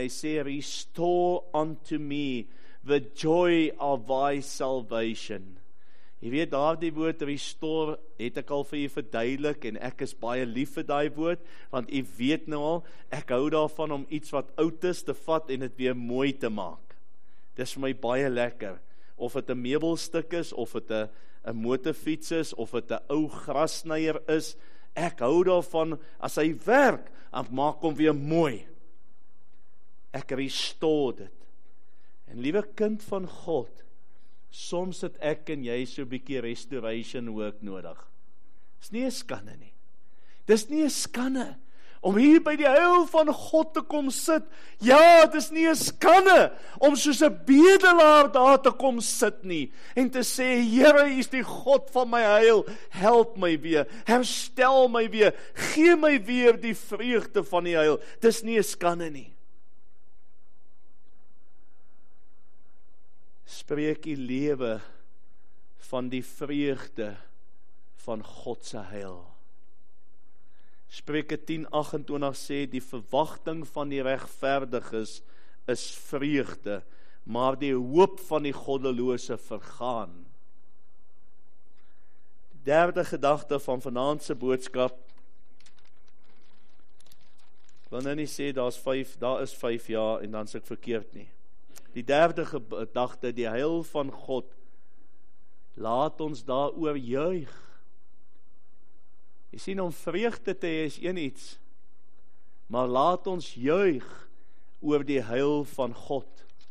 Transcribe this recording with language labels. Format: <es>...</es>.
<af>Hy sê,</af> <en>restore unto me the joy of thy salvation.</en> <af>Jy weet, daar die woord restore het ek al vir jy verduidelik, en ek is baie lief vir die woord, want jy weet nou al, ek hou daarvan om iets wat oud is te vat en het weer mooi te maak. Dit is vir my baie lekker. Of het een meubelstuk is, of het een motorfiets is, of het een ou grasnijer is, ek hou daarvan, as hy werk, dan maak hom weer mooi. Ek restore dit. En liewe kind van God, soms het ek en jy so 'n bietjie restoration work nodig. Dis nie 'n skande nie. Dis nie 'n skande om hier by die heil van God te kom sit. Ja, het is nie 'n skande om soos 'n bedelaar daar te kom sit nie, en te sê, Here, U is die God van my heil, help my weer, herstel my weer, gee my weer die vreugde van die heil. Het is nie 'n skande nie. Spreek die lewe van die vreugde van God se heil. Spreuke 10:28 sê, die verwagting van die regverdiges is vreugde, maar die hoop van die goddelose vergaan. Die derde gedagte van vanaand se boodskap, ek wil nou nie sê, daar is vijf ja, en dan is ek verkeerd nie. Die derde gedagte, die heil van God, laat ons daar oor juig. Jy sien, om vreugde te hê is een iets, maar laat ons juig oor die heil van God.</af>